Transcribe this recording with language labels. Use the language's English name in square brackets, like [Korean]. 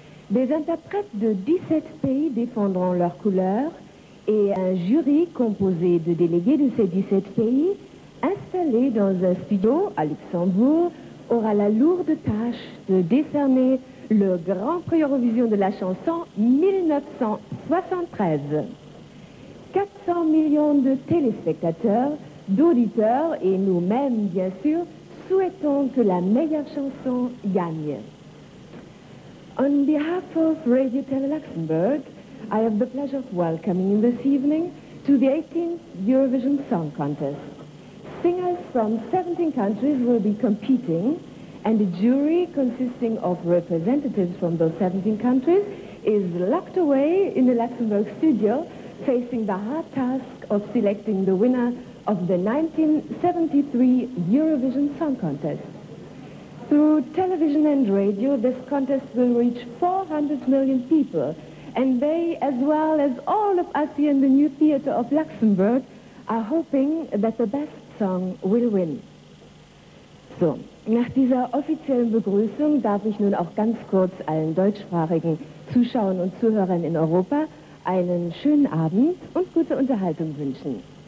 [French] Des interprètes de 17 pays défendront leurs couleurs et un jury composé de délégués de ces 17 pays, installé dans un studio à Luxembourg, aura la lourde tâche de décerner le Grand Prix Eurovision de la chanson 1973. 400 millions de téléspectateurs, d'auditeurs et nous-mêmes, bien sûr, souhaitons que la meilleure chanson gagne. [English] On behalf of Radio Tele Luxembourg, I have the pleasure of welcoming you this evening to the 18th Eurovision Song Contest. Singers from 17 countries will be competing, and a jury consisting of representatives from those 17 countries is locked away in the Luxembourg studio, facing the hard task of selecting the winner of the 1973 Eurovision Song Contest. Through television and radio, this contest will reach 400 million people, and they, as well as all of us here in the new theater of Luxembourg, are hoping that the best song will win. [German] So, nach dieser offiziellen Begrüßung darf ich nun auch ganz kurz allen deutschsprachigen Zuschauern und Zuhörern in Europa einen schönen Abend und gute Unterhaltung wünschen.